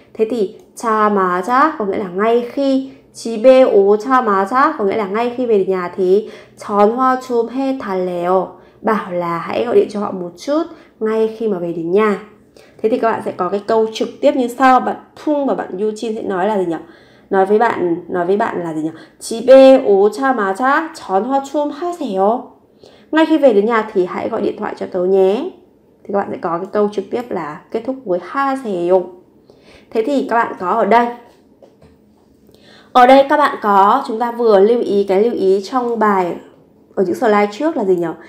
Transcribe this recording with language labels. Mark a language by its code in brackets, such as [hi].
[vi] Thế thì 자마자 có nghĩa là ngay khi. [ko] 집에 오자마자 [vi] có nghĩa là ngay khi về nhà thì [ko] 전화 좀 해달래요. [vi] bảo là hãy gọi điện cho họ một chút ngay khi mà về đến nhà. Thế thì các bạn sẽ có cái câu trực tiếp như sau. Bạn Phung và bạn Yujin sẽ nói là gì nhỉ? Nói với bạn là gì nhỉ? [ko] 집에 오자마자 전화 좀 하세요. [vi] Ngay khi về đến nhà thì hãy gọi điện thoại cho tớ nhé. Thì các bạn sẽ có cái câu trực tiếp là kết thúc với 하세요. Thế thì các bạn có ở đây các bạn có, chúng ta vừa lưu ý cái lưu ý trong bài ở những slide trước là gì nhỉ?